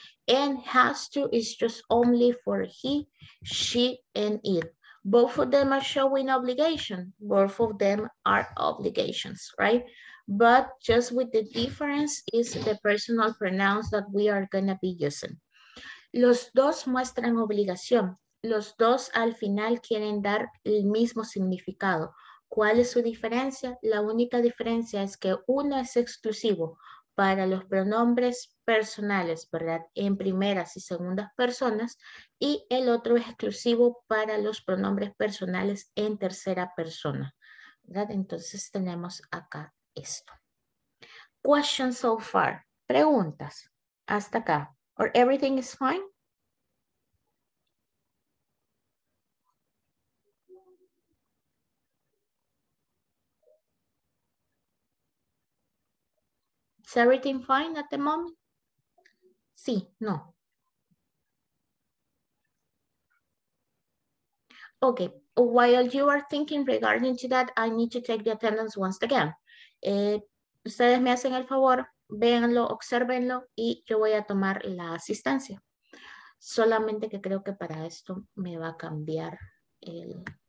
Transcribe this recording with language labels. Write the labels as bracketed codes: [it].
[en] And has to is just only for he, she, and it. Both of them are showing obligation. Both of them are obligations, right? But just with the difference is the personal pronouns that we are gonna be using. [es] Los dos muestran obligación. Los dos al final quieren dar el mismo significado. ¿Cuál es su diferencia? La única diferencia es que uno es exclusivo para los pronombres personales, ¿verdad? En primeras y segundas personas, y el otro es exclusivo para los pronombres personales en tercera persona, ¿verdad? Entonces tenemos acá esto. Questions so far. [en] Preguntas hasta acá. Or everything is fine? Yes. Is everything fine at the moment? Sí, no. Okay, while you are thinking regarding to that, I need to check the attendance once again. [es] Ustedes me hacen el favor, véanlo, obsérvenlo, y yo voy a tomar la asistencia. Solamente que creo que para esto me va a cambiar el...